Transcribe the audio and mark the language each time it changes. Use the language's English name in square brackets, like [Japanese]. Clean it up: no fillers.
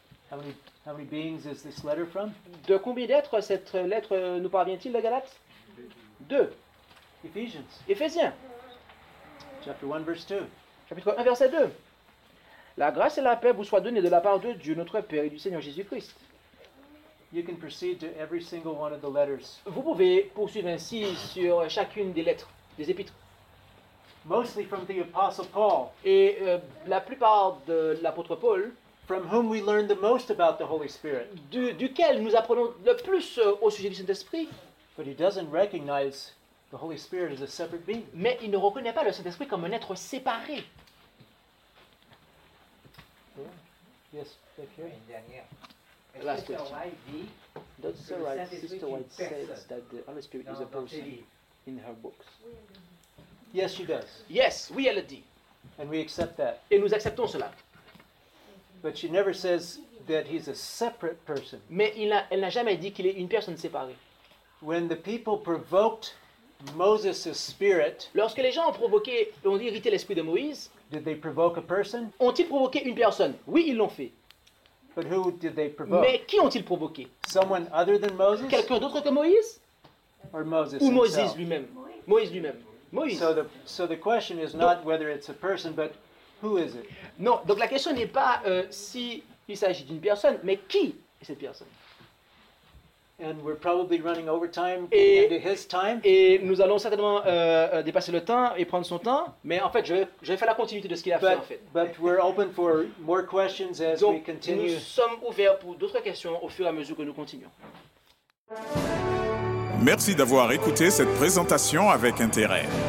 [English] How many beings is this letter from? [French] De combien d'êtres cette lettre nous parvient-il de Galates? Deux. [English] Ephésiens. Chapter 1, verse 2. [French] Chapitre 1, verset 2. La grâce et la paix vous soient données de la part de Dieu, notre Père et du Seigneur Jésus-Christ. [English] You can proceed to every single one of the letters. [French] Vous pouvez poursuivre ainsi sur chacune des lettres, des épîtres. [English] Mostly from the Apostle Paul. [French] Et la plupart de l'apôtre Paul. [English] From whom we learn the most about the Holy Spirit. [French] Duquel nous apprenons le plus au sujet du Saint-Esprit. [English] But he doesn't recognize the Holy Spirit is a separate being. [French] Mais il ne reconnaît pas le Saint-Esprit comme un être séparé. [English] Yes, thank you. Last question. Does Sister White say Sister White says that the Holy Spirit is a person in her books? Yes, she does. [French] Yes, oui, elle le dit. [English] And we accept that. [French] Et nous acceptons cela. [English] But she never says that he's a separate person. [French] Mais elle n'a jamais dit qu'il est une personne séparée. [English] When the people provoked Moses' spirit. [French] Lorsque les gens ont irrité l'esprit de Moïse, [English] did they provoke a person? [French] Ont-ils provoqué une personne? Oui, ils l'ont fait. [English] But who did they provoke? [French] Mais qui ont-ils provoqué? [English] Someone other than Moses? [French] Quelqu'un d'autre que Moïse? [English] Or Moses [French] ou [English] himself? [French] Moïse lui-même. Moïse lui-même. Moïse. [English] So the question is not whether it's a person, but who is it? [French] Non, donc la question n'est pas si il s'agit d'une personne, mais qui est cette personne? [English] And we're probably running over time into his time. [French] Et nous allons certainement dépasser le temps et prendre son temps, mais en fait, je vais faire la continuité de ce qu'il a fait en fait. [English] But we're open for more questions as [French] donc, [English] we continue. [French] Nous sommes ouverts pour d'autres questions au fur et à mesure que nous continuons. Merci d'avoir écouté cette présentation avec intérêt.